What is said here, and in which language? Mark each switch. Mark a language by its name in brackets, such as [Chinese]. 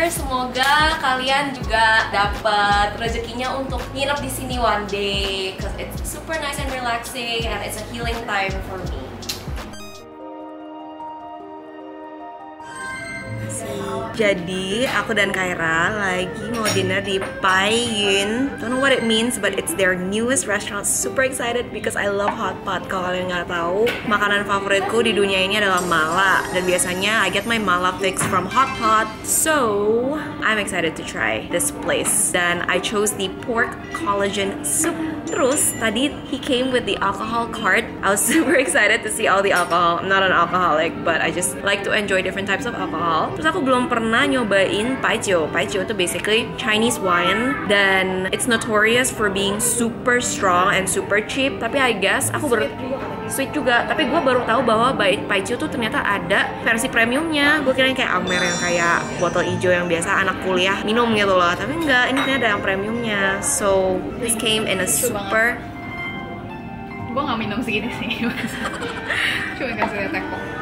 [Indonesian] Semoga kalian juga dapat rezekinya untuk nginep di sini [English] one day, cause it's super nice and relaxing and it's a healing time for me. [Indonesian] Jadi aku dan Kaira lagi mau dinner di Pai Yun. [English] Don't know what it means, but it's their newest restaurant. Super excited because I love hot pot. [Indonesian] Kalau kalian nggak tahu, makanan favoritku di dunia ini adalah mala. Dan biasanya [English] I get my mala fix from hot pot. So I'm excited to try this place. Dan I chose the pork collagen soup. [Indonesian] Terus tadi [English] he came with the alcohol cart. I was super excited to see all the alcohol. I'm not an alcoholic, but I just like to enjoy different types of alcohol. [Indonesian] Terus aku belum pernah nyobain paijiu. Paijiu itu [English] basically Chinese wine, dan it's notorious for being super strong and super cheap. Tapi I guess [Indonesian] aku baru [English] sweet juga. [Indonesian] Tapi gue baru tahu bahwa Bai Paichiu tuh ternyata ada versi premiumnya. Gue kira kayak Amer yang kayak botol hijau yang biasa anak kuliah minum gitu loh. Tapi enggak, ini ternyata ada yang premiumnya. [English] So, this came in a super... [Indonesian] Gue gak minum segini sih. Cuma kasih liat teko.